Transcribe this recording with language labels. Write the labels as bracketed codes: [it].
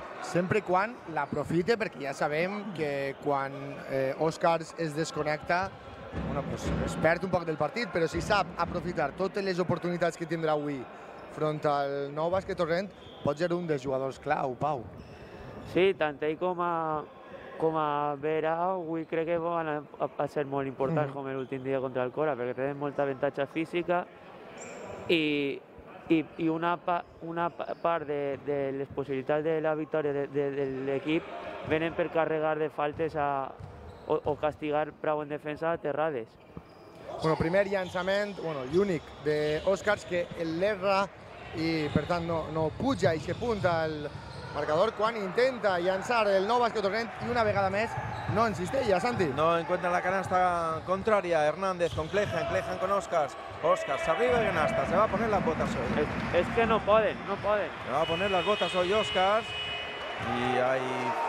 [es] Siempre cuando la aprofite, porque ya sabemos que cuando Oscars [ca] es desconecta, [es] bueno, pues [ca] es perd [es] un poco del partido, pero si sabe aprovechar todas las oportunidades que tendrá hoy frente al nou Bàsquet Torrent, puede ser un de los jugadores clau, Pau. Sí, tanto ahí como... [ca] Com a Vera, avui crec que van a ser molt importants com l'últim dia contra el Cora, perquè tenen molta avantatge física i una part de les possibilitats de la victòria de l'equip venen per carregar de faltes o castigar prou en defensa a Terrades. Bueno, primer llançament, bueno, l'únic d'Òscars, que l'erra i, per tant, no puja a aquest punt el... Marcador, quan intenta llançar el nou Bàsquet Torrent i una vegada més no insisteix, Santi. [es] No encuentra la canasta contrària, Hernández con Clejan con Oscars. Oscars, s'arriba el canasta, se va a poner las botas hoy. [ca] Es que no poden. [es] Se va a poner las botas hoy Oscars y ahí...